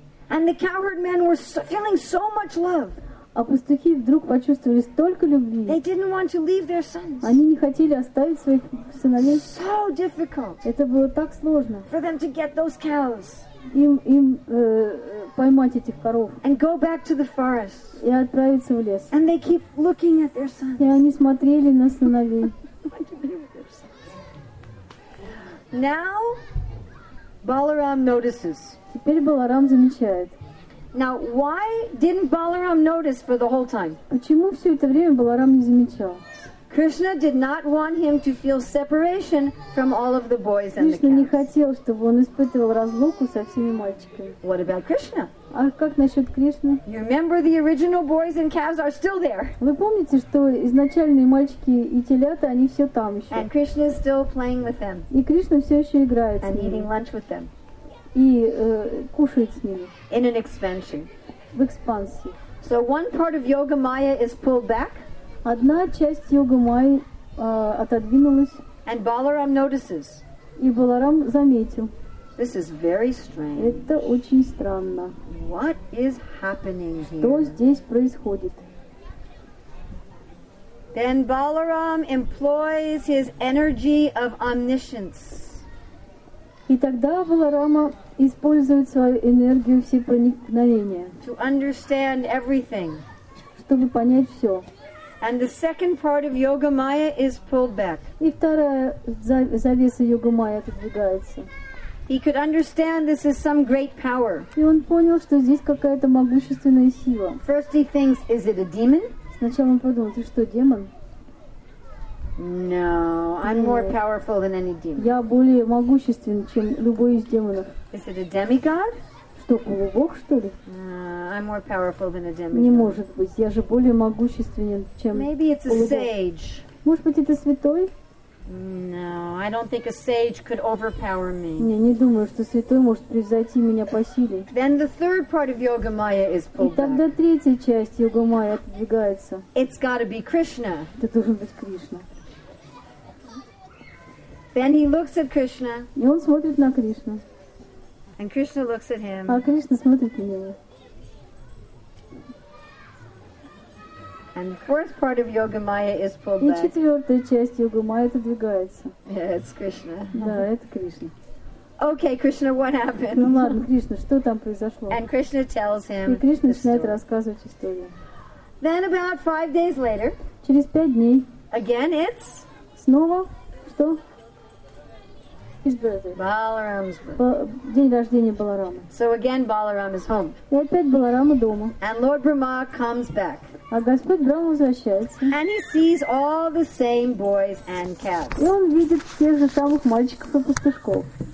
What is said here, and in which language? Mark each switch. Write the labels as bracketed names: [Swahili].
[English] And the cowherd men were feeling so much love. [Russian] А пастухи вдруг почувствовали столько любви. [English] They didn't want to leave their sons. [Russian] Они не хотели оставить своих сыновей. [English] So difficult. [Russian] Это было так сложно. [English] For them to get those cows. [Russian] им поймать этих коров. [English] And go back to the forest. [Russian] И отправиться в лес. [English] And they keep looking at their sons. [Russian] И они смотрели на сыновей. [English] Now Balaram notices. [Russian] Теперь Баларам замечает. [English] Now, why didn't Balaram notice for the whole time? [Russian] Почему все это время Баларам не замечал? [English] Krishna did not want him to feel separation from all of the boys and the cats. [Russian] Кришна не хотел, чтобы он испытывал разлуку со всеми мальчиками. [English] What about Krishna? [Russian] А как насчет Кришны? [English] You remember the original boys and calves are still there. [Russian] Вы помните, что изначальные мальчики и телята, они все там еще. [English] And Krishna is still playing with them. [Russian] И Кришна все еще играет с ними. [English] And eating lunch with them. [Russian] И кушает с ними. [English] In an expansion. [Russian] В экспансии. [English] So one part of Yoga Maya is pulled back. [Russian] Одна часть Йога Майи отодвинулась. [English] And Balaram notices. [Russian] И Баларам заметил. [English] This is very strange. [Russian] Это очень странно. [English] What is happening here? [Russian] Что здесь происходит? [English] Then Balaram employs his energy of omniscience. [Russian] И тогда Баларама использует свою энергию всепроникновения. [English] To understand everything. [Russian] Чтобы понять все. [English] And the second part of Yoga Maya is pulled back. [Russian] И вторая завеса Йога Майя отодвигается. [English] He could understand this is some great power. [Russian] И он понял, что здесь какая-то могущественная сила. [English] First he thinks, is it a demon? [Russian] Сначала он подумал, ты что, демон? [English] No, I'm more powerful than any demon. [Russian] Я более могуществен, чем любой из демонов. [English] Is it a demigod? [Russian] Что, полубог, что ли? [English] I'm more powerful than a demigod. [Russian] Не может быть, я же более могущественен, чем [English] Maybe it's [Russian] полубог. [English] A sage. [Russian] Может быть, это святой? [English] No, I don't think a sage could overpower me. [Russian] Не думаю, что святой может превзойти меня по силе. [English] Then the third part of Yoga Maya is pulled. [Russian] И тогда третья часть Йога Майя отодвигается. [English] It's got to be Krishna. [Russian] Это должен быть Кришна. [English] Then he looks at Krishna. [Russian] И он смотрит на Кришну. [English] And Krishna looks at him. [Russian] А Кришна смотрит на него. [English] And the fourth part of Yoga Maya is pulled back. [Russian] И четвертая часть Йога Майя отодвигается. [English] Yeah, it's Krishna. [Russian] Да, это Кришна. [English] Okay, Krishna, what happened? [Russian] Ну ладно, Кришна, что там произошло? [English] And Krishna tells him. [Russian] И Кришна начинает рассказывать историю. [English] Then about 5 days later. [Russian] Через 5 дней. [English] Again, it's. [Russian] Снова что? [English] His birthday. Balaram's birthday. Balaram. So again, Balaram is home. [Russian] И опять Баларама дома. [English] And Lord Brahma comes back. [Russian] А Господь Брама возвращается. [English] And he sees all the same boys and calves. [Russian] И он видит тех же самых мальчиков и пастушков.